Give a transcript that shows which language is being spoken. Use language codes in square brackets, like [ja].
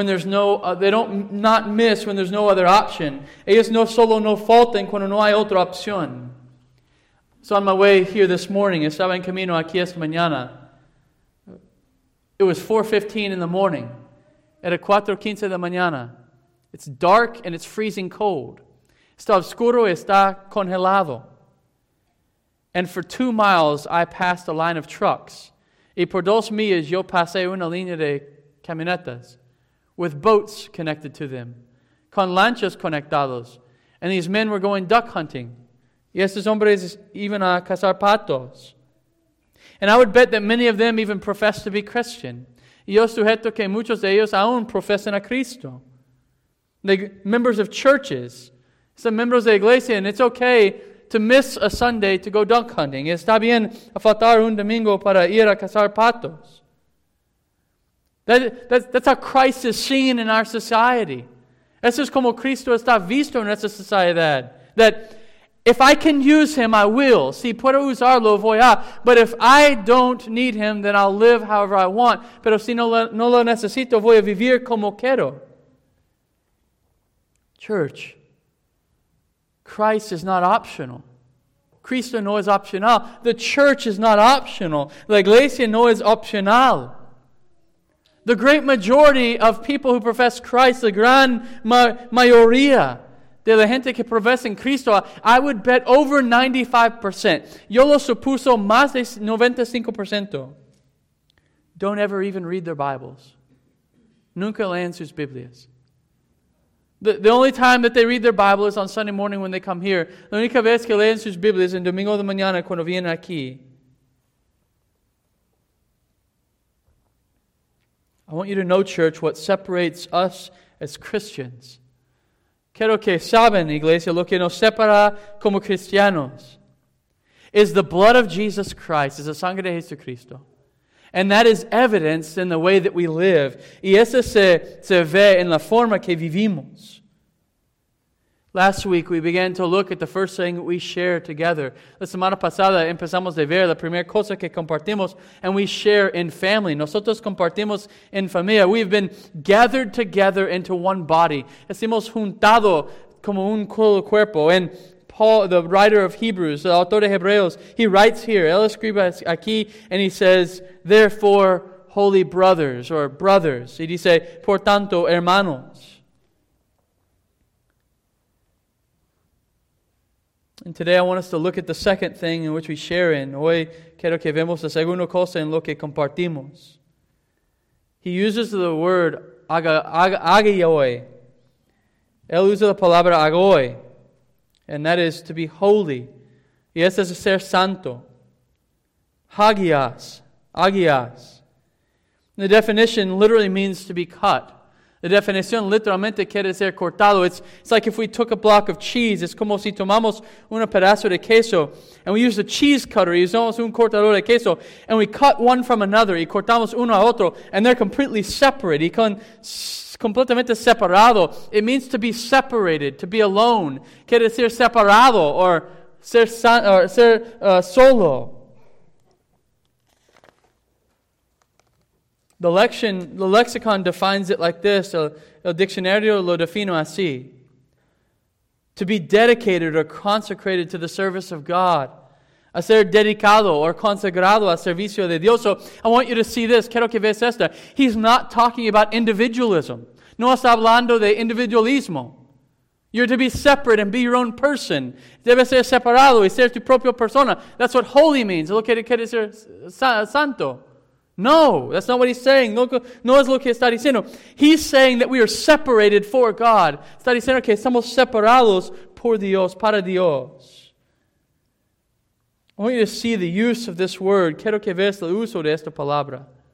[en] They don't miss when there's no other option. [es] Ellos no solo no faltan cuando no hay otra opción. [en] So on my way here this morning, [es] estaba en camino aquí esta mañana. [en] It was 4:15 in the morning. [es] Era 4:15 de mañana. [en] It's dark and it's freezing cold. [es] Está oscuro y está congelado. [en] And for 2 miles, I passed a line of trucks. [es] Y por 2 millas, yo pasé una línea de camionetas [en] with boats connected to them, [es] con lanchas conectados. [en] And these men were going duck hunting. [es] Y estos hombres iban a cazar patos. [en] And I would bet that many of them even profess to be Christian. [es] Y yo sujeto que muchos de ellos aún profesan a Cristo. [en] They're members of churches. [es] Son miembros de iglesia. [en] And it's okay to miss a Sunday to go duck hunting. [es] Está bien a faltar un domingo para ir a cazar patos. [en] That's how Christ is seen in our society. [es] Eso es como Cristo está visto en nuestra sociedad. [en] That if I can use him, I will. [es] Si puedo usarlo, voy a. [en] But if I don't need him, then I'll live however I want. [es] Pero si no lo necesito, voy a vivir como quiero. [en] Church, Christ is not optional. [es] Cristo no es optional. [en] The church is not optional. [es] La iglesia no es optional. [en] The great majority of people who profess Christ, the [es] gran mayoría de la gente que profesan Cristo, [en] I would bet over 95%. [es] Yo lo supuso más de 95%. [en] Don't ever even read their Bibles. [es] Nunca leen sus Biblias. [en] The only time that they read their Bible is on Sunday morning when they come here. [es] La única vez que leen sus Biblias es en domingo de mañana cuando vienen aquí. [en] I want you to know, church, what separates us as Christians. [es] Quiero que saben, iglesia, lo que nos separa como cristianos [en] is the blood of Jesus Christ, [es] is the sangre de Jesucristo. [en] And that is evidenced in the way that we live. [es] Y eso se ve en la forma que vivimos. [en] Last week, we began to look at the first thing that we share together. [es] La semana pasada, empezamos a ver la primera cosa que compartimos, [en] and we share in family. [es] Nosotros compartimos en familia. [en] We've been gathered together into one body. [es] Estamos juntado como un cuerpo. [en] And Paul, the writer of Hebrews, the [es] autor de Hebreos, [en] he writes here, [es] él escribe aquí, [en] and he says, therefore, holy brothers, or brothers. [es] Y dice, por tanto, hermanos. [en] And today I want us to look at the second thing in which we share in. [es] Hoy quiero que vemos la segunda cosa en lo que compartimos. [en] He uses the word agioi. [es] Él usa la palabra agoi. [en] And that is to be holy. [es] Y ese es ser santo. Hagias. Agias. [en] The definition literally means to be cut. [es] La definición literalmente quiere ser cortado. [en] It's like if we took a block of cheese. [es] Es como si tomamos un pedazo de queso. [en] And we use a cheese cutter. [es] Y usamos un cortador de queso. [en] And we cut one from another. [es] Y cortamos uno a otro. [en] And they're completely separate. [es] Y con completamente separado. [en] It means to be separated. To be alone. [es] Quiere ser separado. Or ser solo. [en] The lexicon defines it like this. [es] El diccionario lo defino así. [en] To be dedicated or consecrated to the service of God. [es] A ser dedicado or consagrado a servicio de Dios. [en] So I want you to see this. [es] Quiero que veas esta. [en] He's not talking about individualism. [es] No está hablando de individualismo. [en] You're to be separate and be your own person. [es] Debe ser separado y ser tu propia persona. [en] That's what holy means. [es] Lo que quiere ser santo. [en] No, that's not what he's saying. [es] No es lo que está diciendo. [en] He's saying that we are separated for God. [es] Está diciendo que estamos separados por Dios, para Dios. [en] I want you to see the use of this word. [es] Quiero que veas el uso de esta palabra.